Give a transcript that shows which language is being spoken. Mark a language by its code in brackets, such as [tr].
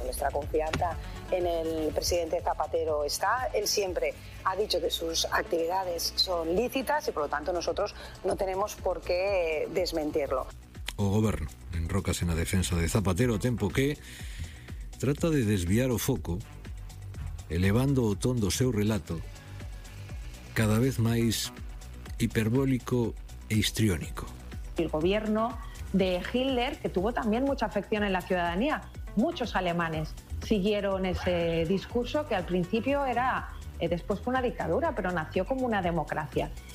[es] Nuestra confianza en el presidente Zapatero está. Él siempre ha dicho que sus actividades son lícitas y, por lo tanto, nosotros no tenemos por qué desmentirlo. [gl] O goberno enrócase na defensa de Zapatero, tempo que trata de desviar o foco, elevando o ton do seu relato cada vez máis hiperbólico e histriónico. [es] El gobierno de Hitler, que tuvo también mucha afección en la ciudadanía, muchos alemanes siguieron ese discurso, que al principio era, después fue una dictadura, pero nació como una democracia.